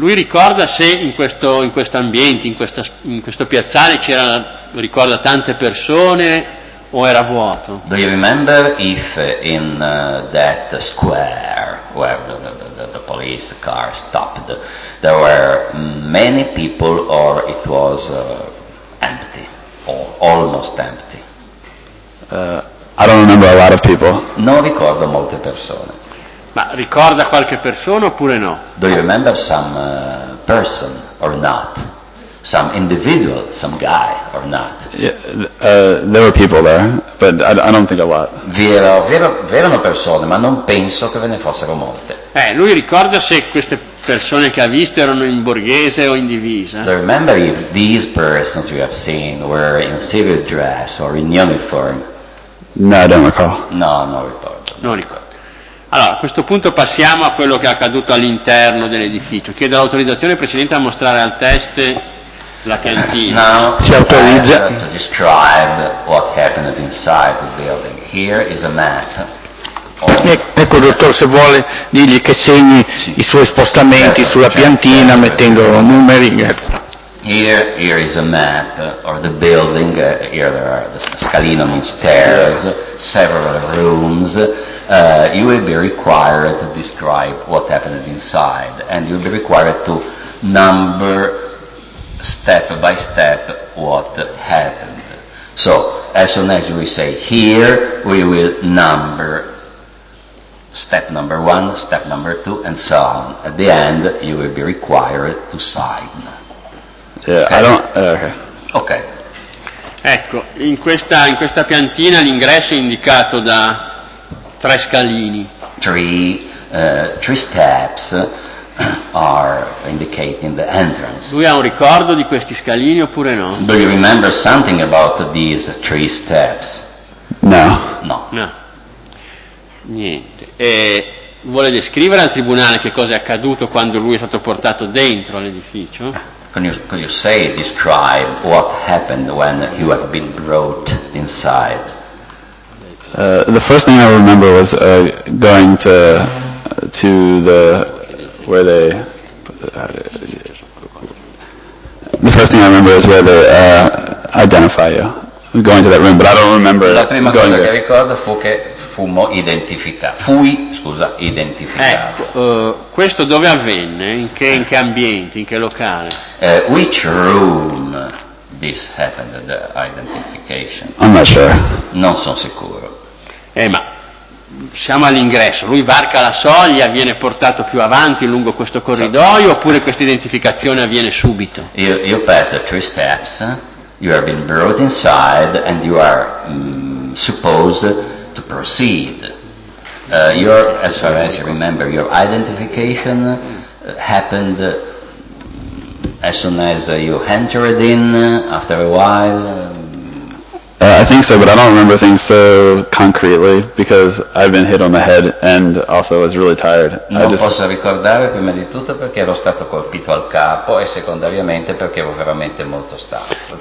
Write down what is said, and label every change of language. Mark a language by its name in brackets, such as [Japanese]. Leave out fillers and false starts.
[Italian] Lui ricorda se in questo ambiente, in questo piazzale, c'era, ricorda, tante persone o era vuoto? [English] Do you remember if in that square where the police car stopped there were many people or it was empty or almost empty? I don't remember a lot of people. [Italian] Non ricordo molte persone. Ma ricorda qualche persona oppure no? [English] Do you remember some person or not? some individual, some guy, or not? There were people there, but I don't think a lot. [Italian] Vi erano persone, ma non penso che ve ne fossero molte. Lui ricorda se queste persone che ha visto erano in borghese o in divisa. [English] I remember if these persons we have seen were in civil dress or in uniform. No, I don't recall. [Italian] No, non ricordo. Non ricordo. Allora, a questo punto passiamo a quello che è accaduto all'interno dell'edificio. Chiedo l'autorizzazione precedente a mostrare al test la cantina. [English] Now, [Italian] si autorizza. [English] To describe what happened inside the building. Here is a map. [Italian] Ecco, dottor, se vuole digli che segni i suoi spostamenti sulla piantina mettendo numeri. [English] Here is a map of the building. Here there are the scalino and stairs, several rooms. You will be required to describe what happened inside, and you will be required to number step by step what happened. So, as soon as we say here, we will number step number one, step number two, and so on. At the end, you will be required to sign. Okay. [Italian] Ecco, in questa piantina l'ingresso è indicato da tre scalini. [English] Three steps are indicating the entrance. [Italian] Lui ha un ricordo di questi scalini oppure no? [English] Do you remember something about these three steps? No. [Italian] Niente. E vuole descrivere al tribunale che cosa è accaduto quando lui è stato portato dentro all'edificio? [English] Could you say, describe what happened when you have been brought inside? The first thing I remember was going to the where they. The first thing I remember is where they identify you, going to that room. But I don't remember. [Italian] La prima [English] going [Italian] cosa [English] there. [Italian] Che ricordo fu che fummo identificato. Identificato. Ecco, questo dove avvenne? In che ambiente? In che locale? [English] Which room this happened? The identification. I'm not sure. Non sono sicuro. Ma siamo all'ingresso, lui varca la soglia, viene portato più avanti lungo questo corridoio, oppure questa identificazione avviene subito? You pass the three steps, you have been brought inside and you are supposed to proceed. Your, as far as you remember, your identification happened as soon as you entered in after a while. I think so, but I don't remember things so concretely because I've been hit on the head and also was really tired. [Italian] Posso ricordare prima di tutto perché ero stato colpito al capo e secondariamente perché ero veramente molto stanco.